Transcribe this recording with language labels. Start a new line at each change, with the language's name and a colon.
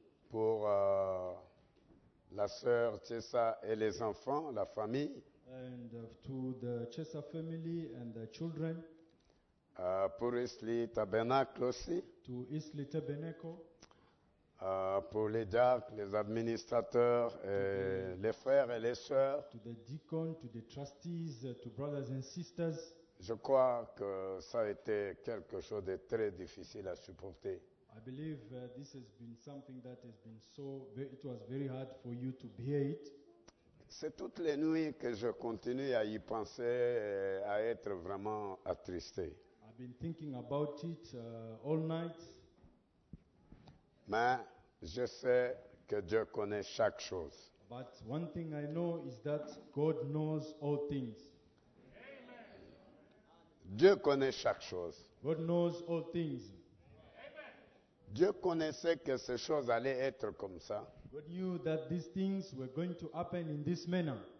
French: Pour la sœur Chessa et les enfants, la famille.
English: And to the Chessa family and the children.
French: Pour Isli Tabernacle aussi.
English: To Isli Tabernacle.
French: Pour les diacres, les administrateurs et les frères et les sœurs.
English: To the deacons, to the trustees, to brothers and sisters.
French: Je crois que ça a été quelque chose de très difficile à supporter.
English: I believe this has been something that has been so it was very hard for you to bear it.
French: C'est toutes les nuits que je continue à y penser, à être vraiment attristé.
English: I've been thinking about it all night.
French: Mais je sais que Dieu connaît chaque chose.
English: But one thing I know is that God knows all things.
French: Dieu connaît chaque chose.
English: God knows all things.
French: Dieu connaissait que ces choses allaient être comme ça.
English: God knew that these things were going to happen in this manner.